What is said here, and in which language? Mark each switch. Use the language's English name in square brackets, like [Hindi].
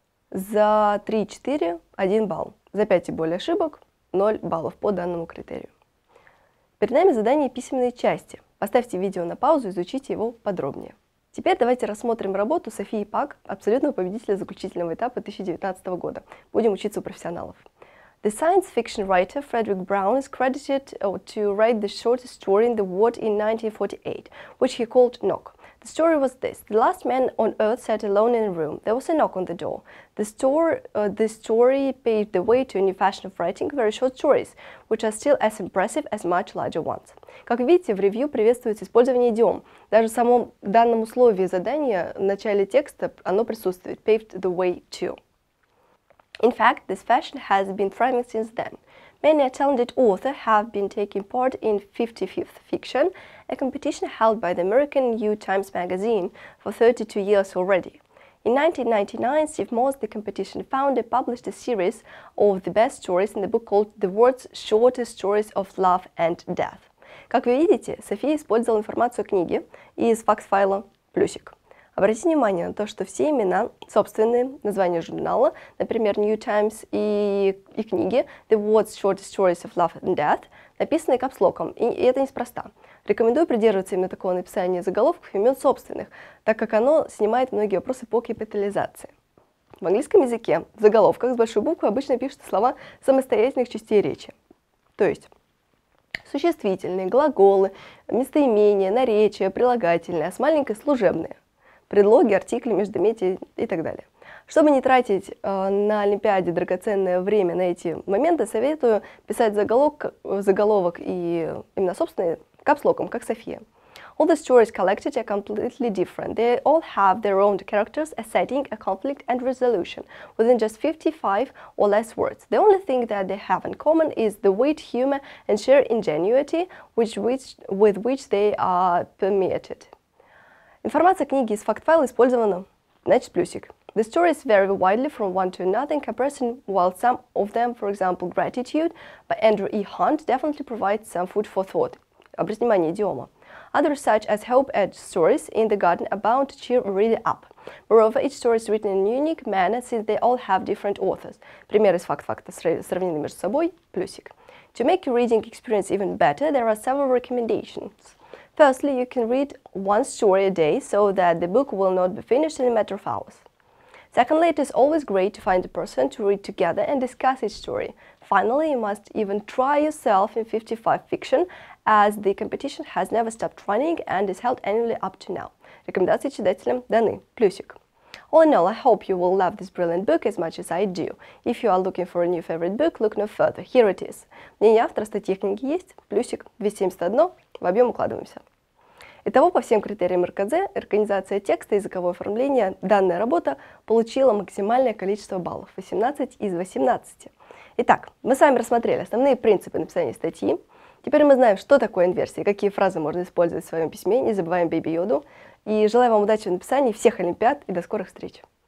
[Russian] За 3-4 – 1 балл. За 5 и более ошибок – 0 баллов по данному критерию. Перед нами задание письменной части. Поставьте видео на паузу, изучите его подробнее. Теперь давайте рассмотрим работу Софии Пак, абсолютного победителя заключительного этапа 2019 года. Будем учиться у профессионалов. [English] The science fiction writer Frederick Brown is credited to write the shortest story in the world in 1948, which he called Knock. The story was this. The last man on earth sat alone in a room. There was a knock on the door. The story paved the way to a new fashion of writing very short stories, which are still as impressive as much larger ones. [Russian] Как видите, в ревью приветствуется использование идиом. Даже в самом данном условии задания, в начале текста, оно присутствует. [English] Paved the way to. In fact, this fashion has been thriving since then. Many a talented author have been taking part in 55th Fiction, a competition held by the American New Times magazine for 32 years already. In 1999, Steve Moss, the competition founder, published a series of the best stories in the book called The World's Shortest Stories of Love and Death. [Russian] Как вы видите, София использовала информацию о книге из факс-файла «Плюсик». Обратите внимание на то, что все имена, собственные названия журнала, например, New Times и книги The World's Shortest Stories of Love and Death, написаны капслоком, и это неспроста. Рекомендую придерживаться именно такого написания заголовков имен собственных, так как оно снимает многие вопросы по капитализации. В английском языке в заголовках с большой буквы обычно пишут слова самостоятельных частей речи. То есть существительные, глаголы, местоимения, наречия, прилагательные, а с маленькой служебные. Предлоги, артикли, междометия и так далее. Чтобы не тратить на Олимпиаде драгоценное время на эти моменты, советую писать заголовок и именно собственные капслоком, как София. [English] All the stories collected are completely different. They all have their own characters, a setting, a conflict and resolution within just 55 or less words. The only thing that they have in common is the wit, humor and sheer ingenuity with which they are permeated. [Russian] Информация книги из факт-файла использована, значит, плюсик. [English] The stories vary widely from one to another in comparison, while some of them, for example, Gratitude by Andrew E. Hunt, definitely provide some food for thought. [Russian] Обратите внимание, идиома. [English] Others, such as Hope Edge stories in the garden, are bound to cheer really up. Moreover, each story is written in a unique manner, since they all have different authors. [Russian] Пример из факт-факта сравнены между собой, плюсик. [English] To make your reading experience even better, there are several recommendations. Firstly, you can read one story a day so that the book will not be finished in a matter of hours. Secondly, it is always great to find a person to read together and discuss each story. Finally, you must even try yourself in 55 fiction, as the competition has never stopped running and is held annually up to now. [Russian] Рекомендации читателям даны. Плюсик. [English] All in all, I hope you will love this brilliant book as much as I do. If you are looking for a new favorite book, look no further. Here it is. [Russian] Мнение автора статьи книги есть. Плюсик 271. В объем укладываемся. Итого, по всем критериям РКЗ, организация текста и языковое оформление, данная работа получила максимальное количество баллов – 18 из 18. Итак, мы с вами рассмотрели основные принципы написания статьи. Теперь мы знаем, что такое инверсия, какие фразы можно использовать в своем письме. Не забываем Бэби Йоду. И желаю вам удачи в написании всех олимпиад и до скорых встреч!